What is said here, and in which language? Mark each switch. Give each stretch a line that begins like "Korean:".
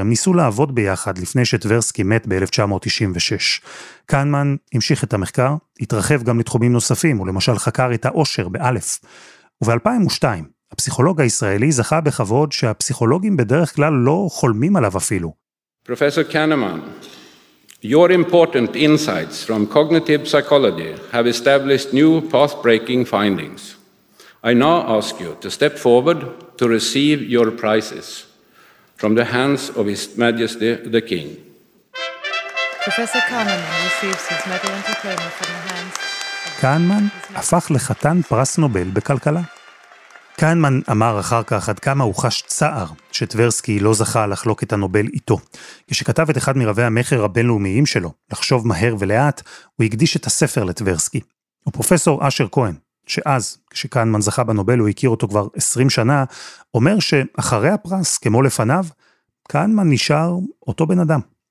Hebrew: הם ניסו לעבוד ביחד לפני שטברסקי מת ב-1996. קהנמן המשיך את המחקר, התרחב גם לתחומים נוספים, ולמשל חקר את העושר באלף. וב-2002, הפסיכולוג הישראלי זכה בכבוד שהפסיכולוגים בדרך כלל לא חולמים עליו אפילו.
English: פרופסור קהנמן, your important insights from cognitive psychology have established new path-breaking findings. I now ask you to step forward to receive your prizes from the hands of His Majesty the King. Professor Kahneman receives his medal and diploma from the hands of his Majesty.
Hebrew: קהנמן הפך לחתן פרס נובל בכלכלה. קהנמן אמר אחר כך עד כמה הוא חש צער שטברסקי לא זכה לחלוק את הנובל איתו. כשכתב את אחד מרבי המחר הבינלאומיים שלו, לחשוב מהר ולאט, הוא הקדיש את הספר לטברסקי. ופרופסור אשר כהן, שאז, כשקהנמן זכה בנובל, הוא הכיר אותו כבר 20 שנה, אומר שאחרי הפרס, כמו לפניו, קהנמן נשאר אותו בן אדם.